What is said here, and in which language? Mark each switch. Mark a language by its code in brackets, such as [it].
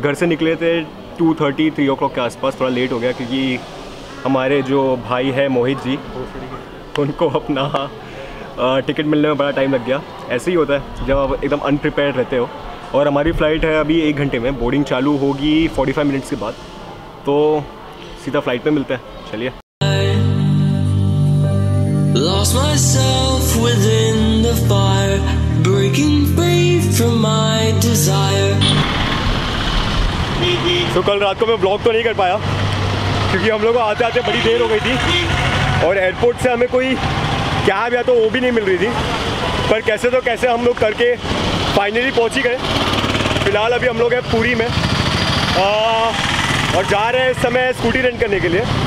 [hi] घर से निकले थे 2:30-3 o'clock के आसपास, थोड़ा लेट हो गया क्योंकि हमारे जो भाई है मोहित जी, उनको अपना टिकट मिलने में बड़ा टाइम लग गया। ऐसे ही होता है जब आप एकदम अनप्रिपेयर रहते हो। और हमारी फ़्लाइट है अभी 1 घंटे में, बोर्डिंग चालू होगी 45 मिनट्स के बाद, तो सीधा फ्लाइट पे मिलते हैं। चलिए। [en] Lost myself within the fire, breaking free from my desire. [hi] So, कल रात को मैं व्लॉग तो नहीं कर पाया क्योंकि हम लोग को आते आते बड़ी देर हो गई थी और एयरपोर्ट से हमें कोई कैब या तो वो भी नहीं मिल रही थी, पर कैसे तो कैसे हम लोग करके फाइनली पहुंच ही गए। फिलहाल अभी हम लोग हैं पूरी में और जा रहे हैं इस समय स्कूटी रेंट करने के लिए।